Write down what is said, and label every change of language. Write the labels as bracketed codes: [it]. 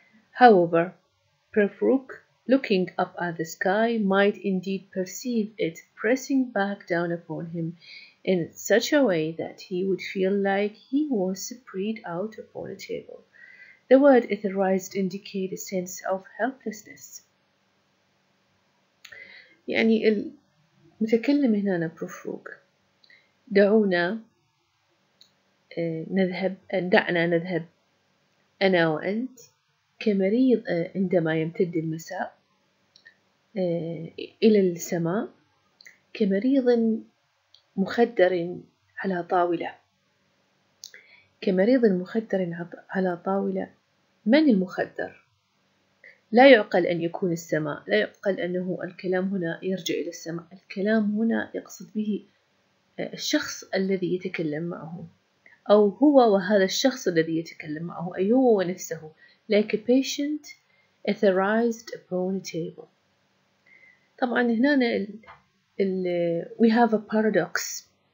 [en] However, Prufrock, looking up at the sky, might indeed perceive it pressing back down upon him in such a way that he would feel like he was spread out upon a table. The word etherized indicates a sense of helplessness. [ar] يعني المتكلم هنا بروفروك دعنا نذهب أنا وأنت كمريض عندما يمتد المساء إلى السماء كمريض مخدر على طاولة كمريض مخدر على طاولة من المخدر؟ لا يعقل أن يكون السماء لا يعقل أنه الكلام هنا يرجع إلى السماء الكلام هنا يقصد به الشخص الذي يتكلم معه أو هو وهذا الشخص الذي يتكلم معه أي هو ونفسه [en] Like a patient etherized upon a table. [ar] طبعاً هنا [en] we have a paradox.